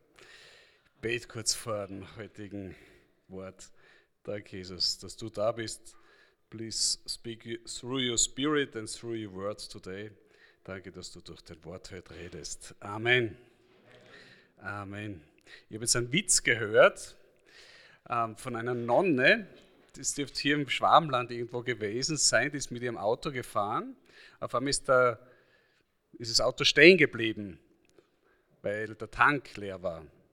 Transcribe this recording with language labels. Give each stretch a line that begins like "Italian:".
German: Ich bete kurz vor dem heutigen Wort. Danke, Jesus, dass du da bist.
English: Please speak through your spirit and through your words today.
German: Danke, dass du durch dein Wort heute redest. Amen. Amen. Ich habe jetzt einen Witz gehört von einer Nonne. Das dürfte hier im Schwabenland irgendwo gewesen sein. Die ist mit ihrem Auto gefahren. Auf einmal ist das Auto stehen geblieben, weil der Tank leer war.